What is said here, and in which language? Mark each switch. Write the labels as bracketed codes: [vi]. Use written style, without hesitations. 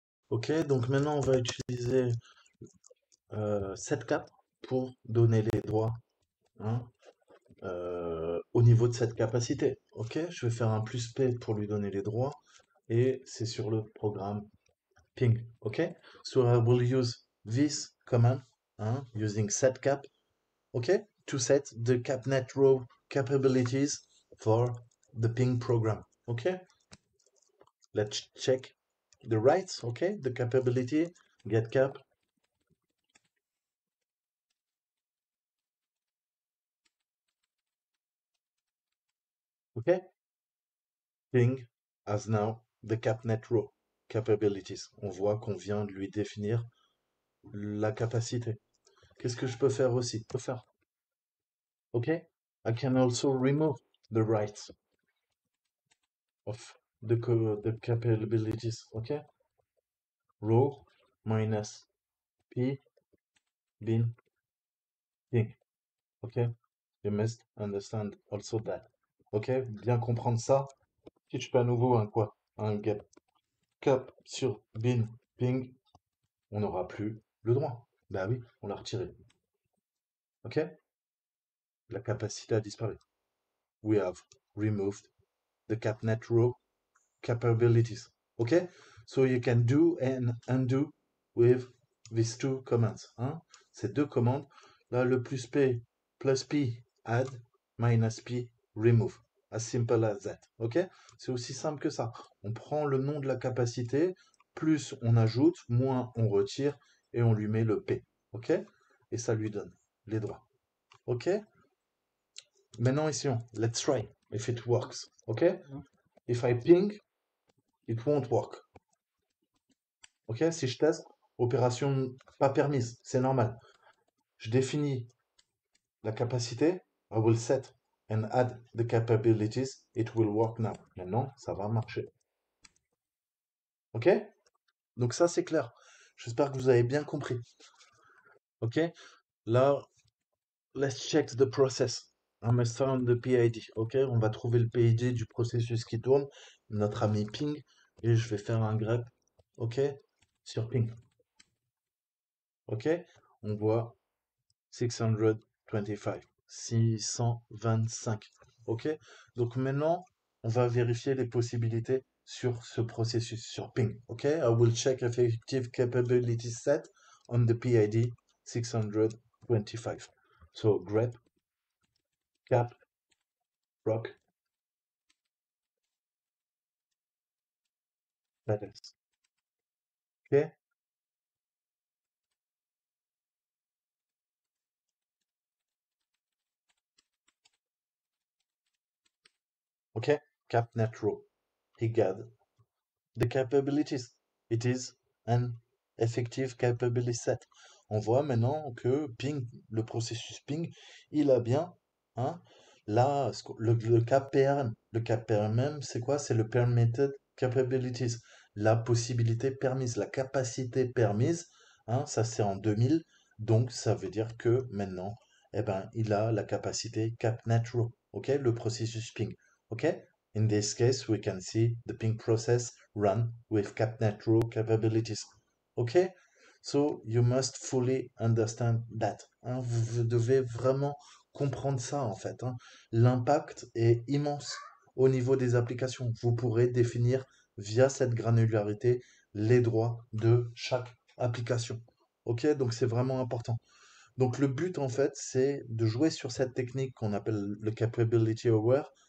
[fr] Ok, donc maintenant on va utiliser cette cap pour donner les droits hein, au niveau de cette capacité. Ok, je vais faire un plus P pour lui donner les droits et c'est sur le programme ping. [en] Ok, so I will use this command hein, using set cap. Ok, to set the capnet row capabilities for the ping program. Ok, let's check. The rights, ok, the capability, get cap. Ok, ping has now the capnet row. capabilities. [fr] On voit qu'on vient de lui définir la capacité. Qu'est-ce que je peux faire aussi? Je peux faire. OK? [en] I can also remove the rights of the capabilities. OK? Rho minus P bin thing. OK? You must understand also that. [fr] OK? Bien comprendre ça. Si tu peux à nouveau un quoi? Un gap. Cap sur bin ping, on n'aura plus le droit. Ben oui, on l'a retiré. OK? La capacité a disparu. [en] We have removed the capnet row capabilities. OK? So you can do and undo with these two commands. Hein? [fr] Ces deux commandes, là, le plus P [en] plus P add minus P remove. As simple as that. OK? [fr] C'est aussi simple que ça. On prend le nom de la capacité, plus on ajoute, moins on retire, et on lui met le P. OK? Et ça lui donne les droits. [en] OK? [fr] Maintenant, essayons. [en] Let's try if it works. OK? If I ping, it won't work. OK? [fr] Si je teste, opération pas permise, c'est normal. Je définis la capacité, [en] I will set. And add the capabilities, it will work now. [fr] Maintenant, ça va marcher. OK? Donc ça, c'est clair. J'espère que vous avez bien compris. [en] OK? Là, let's check the process. I must find the PID. OK? [fr] On va trouver le PID du processus qui tourne. Notre ami ping. Et je vais faire un grep. OK? Sur ping. OK? On voit 625. 625. OK? Donc maintenant, on va vérifier les possibilités sur ce processus, sur ping. OK? [en] I will check effective capability set on the PID 625. So, grep, cap, proc, status. OK? OK, capnet row. He got the capabilities. It is an effective capability set. [fr] On voit maintenant que ping, le processus ping, il a bien, hein, là, le cap PRM. Le cap PRM, c'est quoi? C'est le permitted capabilities. La possibilité permise, la capacité permise, hein, ça c'est en 2000. Donc ça veut dire que maintenant, eh ben, il a la capacité capnet row. OK, le processus ping. OK? [en] In this case, we can see the ping process run with capnet row capabilities. OK? So, you must fully understand that. Hein? [fr] Vous devez vraiment comprendre ça, en fait. Hein? L'impact est immense au niveau des applications. Vous pourrez définir via cette granularité les droits de chaque application. OK? Donc, c'est vraiment important. Donc, le but, en fait, c'est de jouer sur cette technique qu'on appelle le capability aware.